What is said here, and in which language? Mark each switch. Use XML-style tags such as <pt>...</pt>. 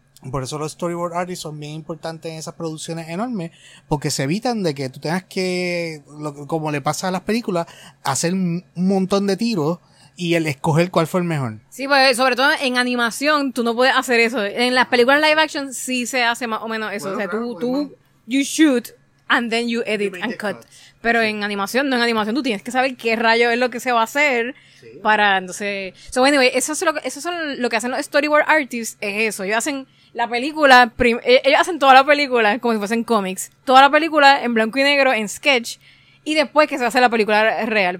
<es>Por eso los storyboard artists son bien importantes en esas producciones enormes, porque se evitan de que tú tengas que, como le pasa a las películas, hacer un montón de tiros y el escoger cuál fue el mejor. Sí, pues sobre todo en animación tú no puedes hacer eso. En las películas live action sí se hace más o menos eso. Bueno, o sea, claro,</es> <en>you shoot and then you edit and cut.</en> <es>Pero sí. En animación, tú tienes que saber qué rayo es lo que se va a hacer. Sí. Para, entonces...</es> <en>So, anyway,</en> <es>eso es lo que hacen los storyboard artists, es eso. Ellos hacen la película, ellos hacen toda la película, como si fuesen cómics. Toda la película en blanco y negro, en sketch, y después que se hace la película real.</es>